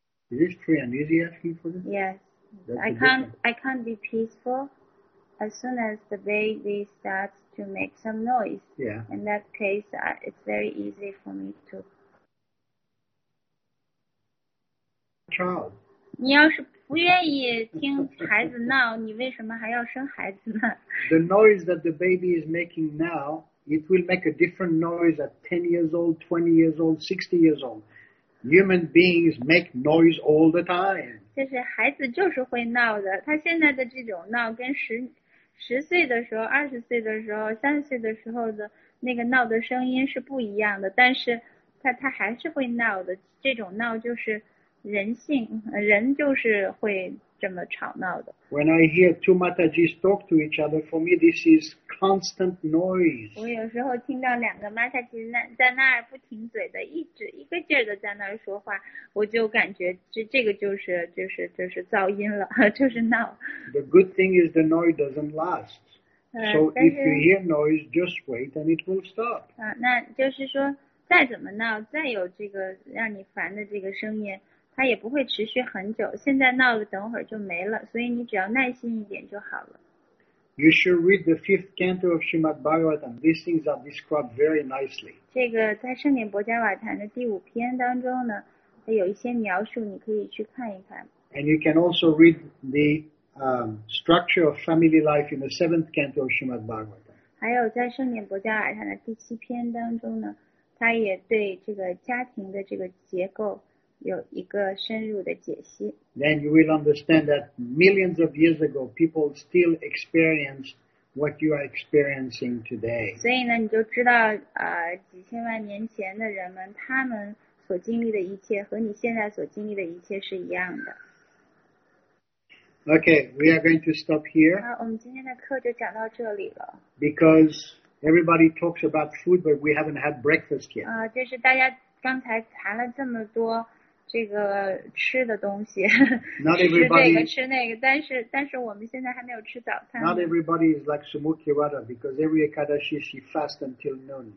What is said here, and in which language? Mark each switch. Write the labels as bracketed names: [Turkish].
[English] Is this Free and Easy asking for this? Yes. I can't be peaceful as soon as the baby startsto make some noise. Yeah. In that case, it's very easy for me to... Child. [Chinese] 你要是不愿意听孩子闹，你为什么还要生孩子呢？ [English] The noise that the baby is making now, it will make a different noise at 10 years old, 20 years old, 60 years old. Human beings make noise all the time. [Chinese] 就是孩子就是会闹的，他现在的这种闹跟十岁的时候、二十岁的时候、三十岁的时候的那个闹的声音是不一样的，但是他还是会闹的。这种闹就是人性，人就是会这么吵闹的。 [English] When I hear two Matajis talk to each other, for me this is constant noise. [Chinese] 我有时候听到两个 Matajis 在那儿不停嘴的，一直一个劲儿的在那儿说话，我就感觉这个就是噪音了，就是闹。 [English] The good thing is the noise doesn't last. So if you hear noise, just wait and it will stop. [Chinese] 那就是说，再怎么闹，再有这个让你烦的这个声音。它也不会持续很久，现在闹了等会儿就没了，所以你只要耐心一点就好了。 [English] You should read the fifth canto of Srimad Bhagavatam. These things are described very nicely. [Chinese] 这个在圣典博迦瓦坛的第五篇当中呢，它有一些描述，你可以去看一看。 [English] And you can also read the structure of family life in the seventh canto of Srimad Bhagavatam. [Chinese] 还有在圣典博迦瓦坛的第七篇当中呢，它也对这个家庭的这个结构有一个深入的解析。 [English] Then you will understand that millions of years ago, people still experienced what you are experiencing today. [Chinese] 所以呢，你就知道啊，几千万年前的人们，他们所经历的一切和你现在所经历的一切是一样的。 [English] Okay, we are going to stop here. [Chinese] 好，我们今天的课就讲到这里了。 [English] Because everybody talks about food, but we haven't had breakfast yet. [Chinese] 啊，就是大家刚才谈了这么多这个吃的东西， [English] not everybody, [Chinese] 吃这个吃那个，但是我们现在还没有吃早餐。 [English] Not everybody is like Sumukhirada because every Ekadashi she fasts until noon.